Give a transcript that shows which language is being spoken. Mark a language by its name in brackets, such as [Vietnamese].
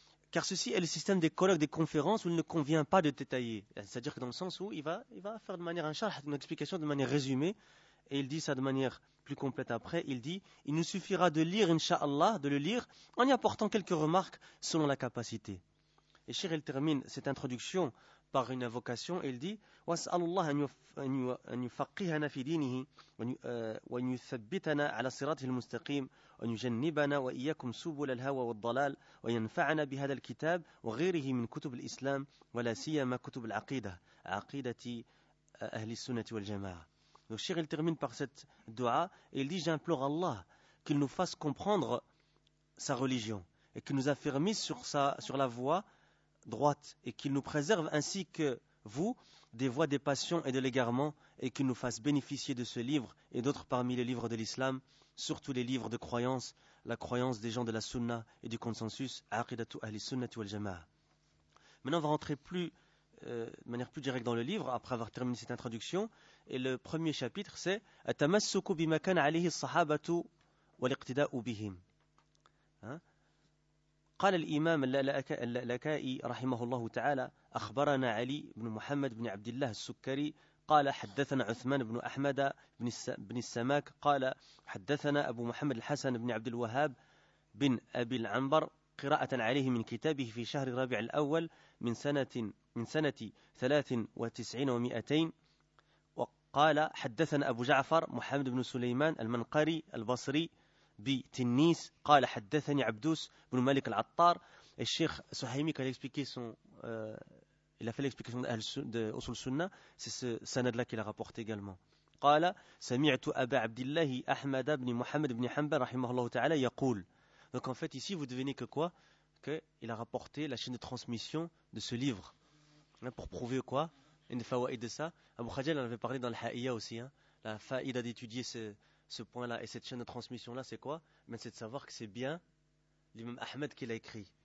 [French] Car ceci est le système des colloques, des conférences où il ne convient pas de détailler. C'est-à-dire que dans le sens où il va faire de manière un charh, une explication de manière résumée, et il dit ça de manière plus complète après, il dit, il nous suffira de lire, incha'Allah, de le lire, en y apportant quelques remarques selon la capacité. Et Cheikh, il termine cette introduction par une invocation, et il dit, [Arabic] « وَاسْأَلُ اللَّهَ أَنْ يُفَقِّهَنَا فِي دِينِهِ وَأَنْ يُثَبِّتَنَا عَلَى صِرَاطِهِ الْمُسْتَقِيمِ وَأَنْ يُجَنِّبَنَا وَإِيَّكُمْ سُبُلَ الْهَوَى وَالضَّلَالِ وَيَنْفَعَنَا بِهَذَا الْكِتَابِ وَغَيْرِهِ مِنْ كُتُبِ الْإِسْلَامِ وَلَا سِيَّمَا كُتُبِ الْعَقِيدَةِ عَقِيدَةِ أَهْلِ السُّنَّةِ وَالْجَمَاعَةِ. [French] Donc Cheikh, il termine par cette dua et il dit, j'implore Allah qu'il nous fasse comprendre sa religion et qu'il nous affermisse sur la voie droite et qu'il nous préserve ainsi que vous des voies des passions et de l'égarement et qu'il nous fasse bénéficier de ce livre et d'autres parmi les livres de l'islam, surtout les livres de croyance, la croyance des gens de la sunna et du consensus [Arabic] aqidatu ahli sunnati wal jamaa. [French] Maintenant on va rentrer plus de manière plus directe dans le livre après avoir terminé cette introduction et le premier chapitre c'est [Arabic] atamassuku bima kana alayhi as-sahabatu wal iqtida'u bihim. قال الإمام اللكائي رحمه الله تعالى أخبرنا علي بن محمد بن عبد الله السكري قال حدثنا عثمان بن أحمد بن السماك قال حدثنا أبو محمد الحسن بن عبد الوهاب بن أبي العنبر قراءة عليه من كتابه في شهر ربيع الأول من سنة 93 و200 وقال حدثنا أبو جعفر محمد بن سليمان المنقري البصري بتنيس قال حدثني عبدوس بن مالك العطار الشيخ سهيمي قال [French] expliquer son il a fait l'explication de Usul Sunna c'est ce sanad là qu'il a rapporté également [Arabic] قال سمعت أبا عبد الله أحمد بن محمد بن حنبل رحمه الله تعالى يقول. [French] Donc en fait ici vous devinez que quoi? Qu'il a rapporté la chaîne de transmission de ce livre. Hein, pour prouver quoi? Une fawaïd de ça. Abu Khadjal en avait parlé dans le Ha'iya aussi. Hein, la fa'ida d'étudier ce point-là et cette chaîne de transmission-là, c'est quoi? Mais c'est de savoir que c'est bien l'imam Ahmed qui l'a écrit.